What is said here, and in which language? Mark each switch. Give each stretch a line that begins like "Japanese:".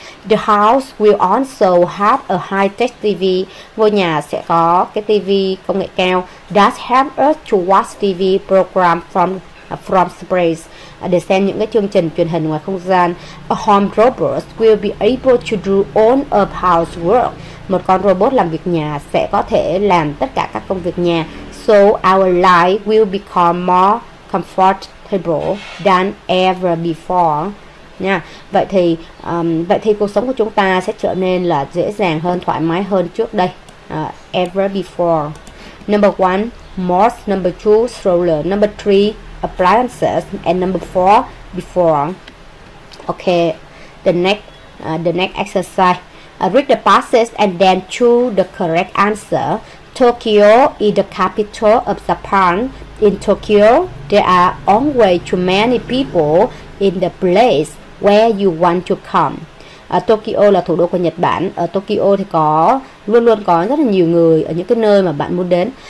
English: The house will also have a high-tech TV,
Vietnamese: ngôi nhà sẽ có cái TV công nghệ cao,
English: that help us to watch TV program from space,
Vietnamese: để xem những cái chương trình truyền hình ngoài không gian.
English: A home robot will be able to do all of house work.
Vietnamese: Một con robot làm việc nhà sẽ có thể làm tất cả các công việc nhà.
English: So our life will become more comfortable than ever before.
Vietnamese: Nha. Vậy thì cuộc sống của chúng ta sẽ trở nên là dễ dàng hơn, thoải mái hơn trước đây.
English: Ever before. Number 1, most. Number 2, stroller. Number 3, appliances, and number 4 before. Okay, the next exercise. Read the passage and then choose the correct answer. Tokyo is the capital of Japan. In Tokyo, there are always too many people in the place where you want to come.
Vietnamese: Tokyo là thủ đô của Nhật Bản. Ở Tokyo thì có luôn luôn có rất là nhiều người ở những cái nơi mà bạn muốn đến.